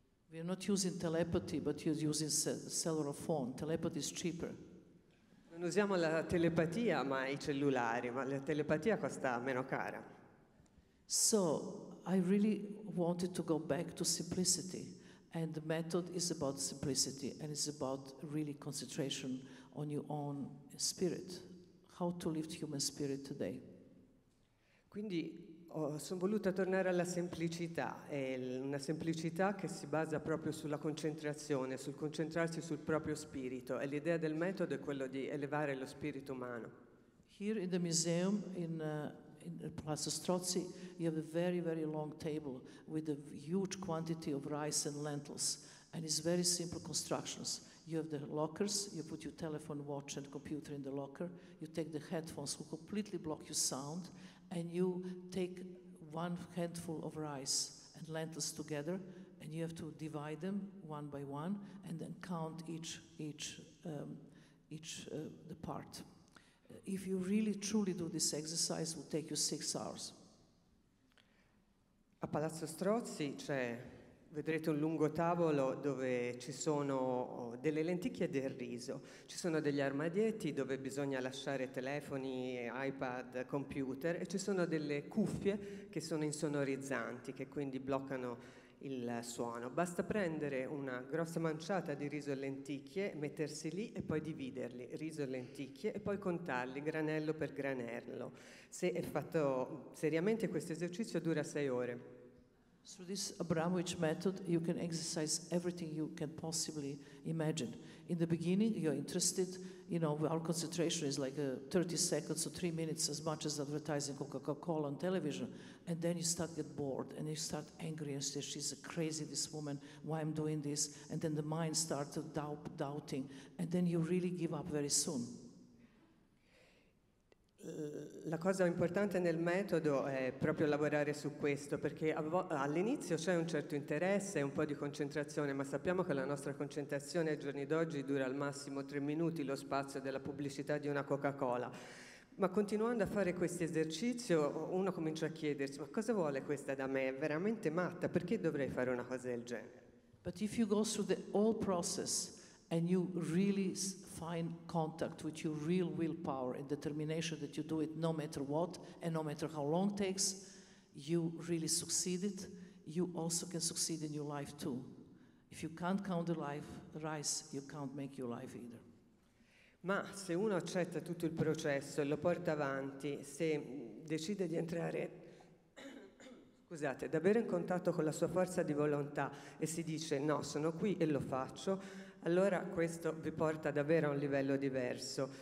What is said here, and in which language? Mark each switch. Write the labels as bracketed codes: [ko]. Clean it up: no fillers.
[en] We are not using telepathy, but you're using cellular phone. Telepathy is cheaper. [it] Non usiamo la telepatia, ma i cellulari, ma la telepatia costa meno cara. [en] So, I really wanted to go back to simplicity, and the method is about simplicity and it's about really concentration on your own spirit, how to lift human spirit today. [it] Quindi sono voluta tornare alla semplicità, è una semplicità che si basa proprio sulla concentrazione, sul concentrarsi sul proprio spirito, e l'idea del metodo è quello di elevare lo spirito umano. [en] Here in the museum in Palazzo Strozzi you have a very very long table with a huge quantity of rice and lentils, and it's very simple constructions. You have the lockers, you put your telephone, watch and computer in the locker, you take the headphones who completely block your sound, and you take one handful of rice and lentils together, and you have to divide them one by one and then count each part. If you really truly do this exercise, it will take you 6 hours. [it] A Palazzo Strozzi c'è, vedrete un lungo tavolo dove ci sono delle lenticchie e del riso. Ci sono degli armadietti dove bisogna lasciare telefoni, iPad, computer, e ci sono delle cuffie che sono insonorizzanti, che quindi bloccano il suono. Basta prendere una grossa manciata di riso e lenticchie, mettersi lì e poi dividerli, riso e lenticchie, e poi contarli granello per granello. Se è fatto seriamente, questo esercizio dura 6 ore. [en] Through this Abramovich method, you can exercise everything you can possibly imagine. In the beginning, you're interested, you know, our concentration is like 30 seconds or 3 minutes, as much as advertising Coca-Cola on television. And then you start to get bored and you start angry and say, she's crazy, this woman, why I'm doing this? And then the mind starts doubting. And then you really give up very soon. [it] La cosa importante nel metodo è proprio lavorare su questo, perché all'inizio c'è un certo interesse e un po' di concentrazione, ma sappiamo che la nostra concentrazione ai giorni d'oggi dura al massimo 3 minuti, lo spazio della pubblicità di una Coca-Cola. Ma continuando a fare questo esercizio, uno comincia a chiedersi, ma cosa vuole questa da me? È veramente matta, perché dovrei fare una cosa del genere? [en] But if you go through the whole process and you really find contact with your real willpower and determination that you do it no matter what and no matter how long it takes, you really succeeded. You also can succeed in your life too. If you can't count the life rice, you can't make your life either. [it] Ma se uno accetta tutto il processo e lo porta avanti, se decide di entrare scusate, davvero in contatto con la sua forza di volontà e si dice no, sono qui e lo faccio, allora questo vi porta davvero a un livello diverso.